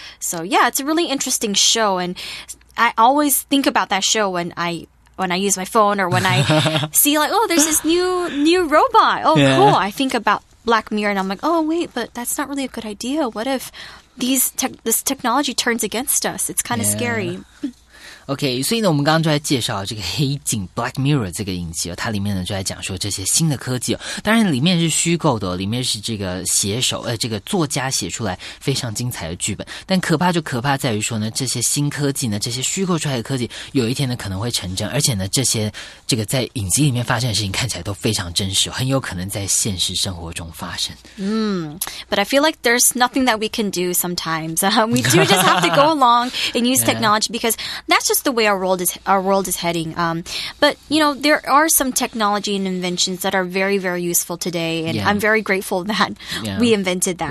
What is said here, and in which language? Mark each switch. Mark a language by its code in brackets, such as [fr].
[en] So, yeah, it's a really interesting show. And I always think about that show when I use my phone or when I see like, oh, there's this new robot. Oh, cool. I think about Black Mirror and I'm like, oh wait, but that's not really a good idea. What if this technology turns against us? It's kind of scary. [zh] Okay, 所以呢，我们刚刚就在介绍这个《黑镜》（Black Mirror） 这个影集哦，它里面呢就在讲说这些新的科技哦，当然里面是虚构的，里面是这个写手这个作家写出来非常精彩的剧本。但可怕就可怕在于说呢，这些新科技呢，这些虚构出来的科技，有一天呢可能会成真，而且呢这些这个在影集里面发生的事情看起来都非常真实，很有可能在现实生活中发生。 [en] But I feel like there's nothing that we can do sometimes. We do just have to go along and use technology because that's just the way our world is heading. But you know, there are some technology and inventions that are very, very useful today, and I'm very grateful that we invented that,